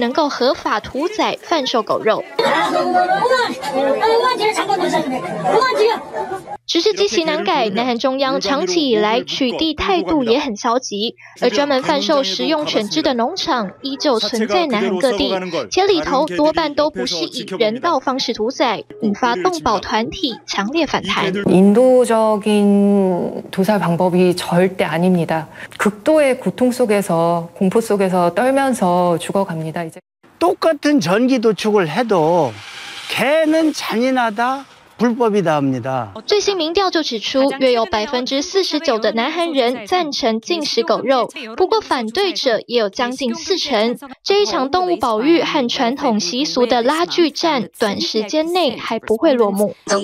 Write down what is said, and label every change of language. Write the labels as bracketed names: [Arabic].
[Chinese] 不过，南韩畜产品卫生管理法其实从未将犬只列为供人饲养食用的牲畜，食品卫生法也并未将狗肉列为食材。南韩动保团体因此主张吃狗肉是违法的行为，因为至今南韩仍无法源依据能够合法屠宰贩售狗肉。 [Korean] 인도적인 도살 방법이 절대 아닙니다. 극도의 고통 속에서 공포 속에서 떨면서 죽어갑니다. 이제 똑같은 전기 도축을 해도 개는 잔인하다. 불법이다 합니다. [Chinese] 最新民调就指出，约有49%的南韩人赞成禁食狗肉，不过反对者也有将近40%。这一场动物保育和传统习俗的拉锯战，短时间内还不会落幕。